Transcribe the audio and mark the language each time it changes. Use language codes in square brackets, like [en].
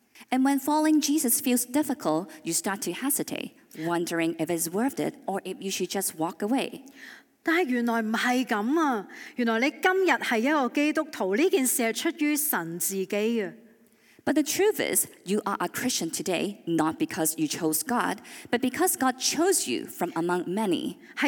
[en] And when following Jesus feels difficult, you start to hesitate, wondering if it's worth it or if you should just walk away. [zh] 但原來不是這樣，原來你今天是一個基督徒，這件事是出於神自己的。 [en] But the truth is, you are a Christian today, not because you chose God, but because God chose you from among many.